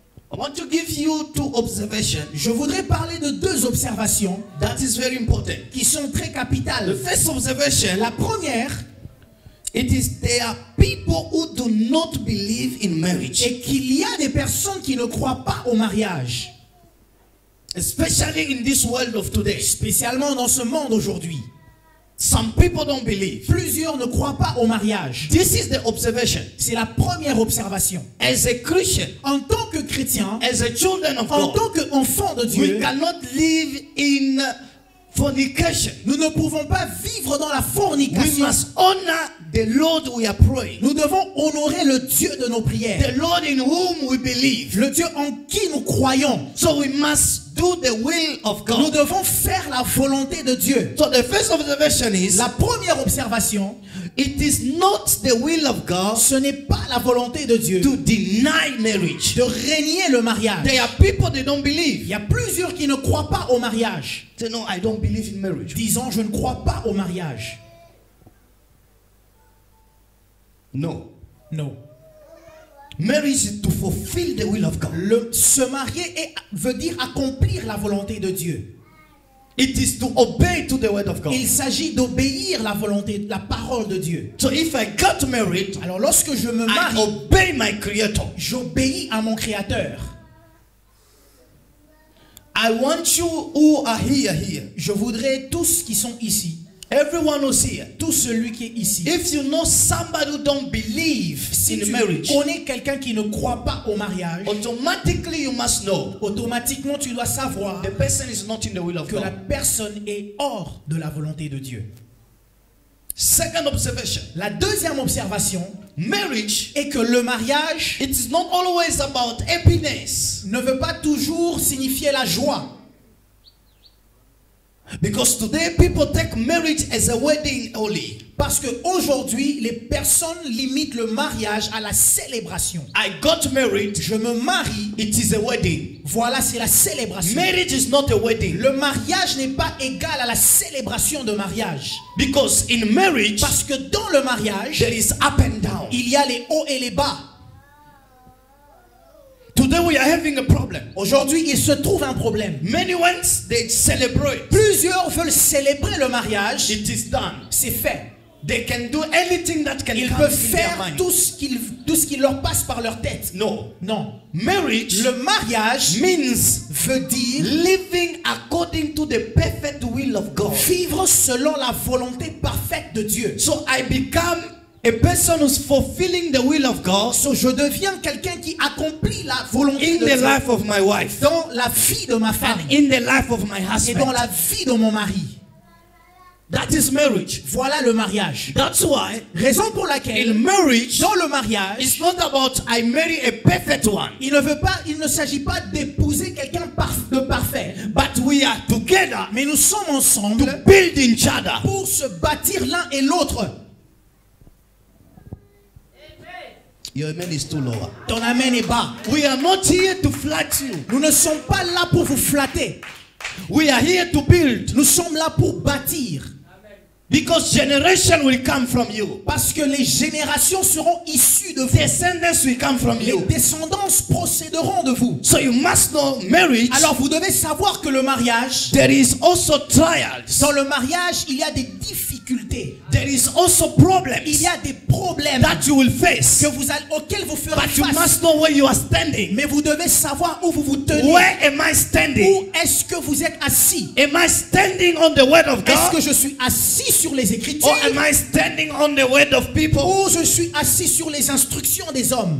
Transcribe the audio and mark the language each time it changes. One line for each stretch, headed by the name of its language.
English: I want to give you two observations.
French: Je voudrais parler de deux observations.
English: That is very important.
French: Qui sont très capitales.
English: The first observation.
French: La première.
English: It is there are people who do not believe in marriage.
French: Et qu'il y a des personnes qui ne croient pas au mariage.
English: Especially in this world of today.
French: Spécialement dans ce monde aujourd'hui.
English: Some people don't believe.
French: Plusieurs ne croient pas au mariage.
English: This is the observation.
French: C'est la première observation.
English: As a Christian,
French: en tant que chrétien,
English: as a children of
French: en
English: God,
French: tant qu'enfant de Dieu,
English: we cannot live in fornication.
French: Nous ne pouvons pas vivre dans la fornication.
English: We must honor the Lord we are praying.
French: Nous devons honorer le Dieu de nos prières.
English: The Lord in whom we believe.
French: Le Dieu en qui nous croyons.
English: So we must do the will of God.
French: Nous devons faire la volonté de Dieu.
English: So the first observation is,
French: la première observation,
English: it is not the will of God,
French: ce n'est pas la volonté de Dieu,
English: to deny marriage,
French: de renier le mariage.
English: There are people that don't believe.
French: Il y a plusieurs qui ne croient pas au mariage.
English: Say, no, I don't believe in marriage.
French: Disant, je ne crois pas au mariage.
English: No. No. Marriage is to fulfill the will of God.
French: Se marier est, veut dire accomplir la volonté de Dieu.
English: It is to obey to the word of God.
French: Il s'agit d'obéir la volonté, la parole de Dieu.
English: So if I got married,
French: alors lorsque je me marie,
English: I obey my creator.
French: J'obéis à mon créateur.
English: I want you who are here, here.
French: Je voudrais tous qui sont ici.
English: Everyone who's here,
French: tout celui qui est ici.
English: If you know somebody who don't believe
French: si
English: in marriage,
French: si tu connais quelqu'un qui ne croit pas au mariage,
English: automatically you must know,
French: automatiquement tu dois savoir,
English: the person is not in the will of
French: que
English: God.
French: La personne est hors de la volonté de Dieu.
English: Second observation,
French: la deuxième observation,
English: marriage,
French: est que le mariage,
English: it is not always about happiness,
French: ne veut pas toujours signifier la joie.
English: Because today people take marriage as a wedding only.
French: Parce que aujourd'hui les personnes limitent le mariage à la célébration.
English: I got married.
French: Je me marie.
English: It is a wedding.
French: Voilà, c'est la célébration.
English: Marriage is not a wedding.
French: Le mariage n'est pas égal à la célébration de mariage.
English: Because in marriage,
French: parce que dans le mariage,
English: there is up and down.
French: Il y a les hauts et les bas.
English: Today Today we are having a problem.
French: Aujourd'hui, il se trouve un problème.
English: Many ones, they celebrate.
French: Plusieurs veulent célébrer le mariage.
English: It is done.
French: C'est fait.
English: They can do anything that can
French: ils
English: come
French: peuvent faire
English: their mind.
French: Tout ce qui leur passe par leur tête.
English: No.
French: Non.
English: Marriage,
French: le mariage
English: means
French: veut dire
English: living according to the perfect will of God.
French: Vivre selon la volonté parfaite de Dieu.
English: So I become a person who's fulfilling the will of God.
French: So je deviens quelqu'un qui accomplit la volonté de Dieu.
English: In the life of my wife.
French: Dans la vie de ma femme.
English: In the life of my husband.
French: Et dans la vie de mon mari.
English: That is marriage.
French: Voilà le mariage.
English: That's why.
French: Raison pour laquelle.
English: In marriage.
French: Dans le mariage.
English: It's not about I marry a perfect one.
French: Il ne veut pas. Il ne s'agit pas d'épouser quelqu'un de parfait.
English: But we are together.
French: Mais nous sommes ensemble.
English: To build each other.
French: Pour se bâtir l'un et l'autre.
English: Your amen is too low.
French: Ton amen est bas.
English: We are not here to flatter you.
French: Nous ne sommes pas là pour vous flatter.
English: We are here to build.
French: Nous sommes là pour bâtir.
English: Because generation will come from you.
French: Parce que les générations seront issues de vous.
English: Descendants will come from you.
French: Les descendants procéderont de vous.
English: So you must know marriage.
French: Alors vous devez savoir que le mariage.
English: There is also trials.
French: Dans le mariage, il y a des difficultés.
English: There is also problems.
French: Il y a des problèmes.
English: That you will face.
French: Que vous allez, auxquels vous ferez
English: but
French: face.
English: But you must know where you are standing.
French: Mais vous devez savoir où vous vous tenez.
English: Where am I standing?
French: Où est-ce que vous êtes assis?
English: Am I standing on the word of God?
French: Est-ce que je suis assis sur les écritures?
English: Or am I standing on the word of people?
French: Ou je suis assis sur les instructions des hommes?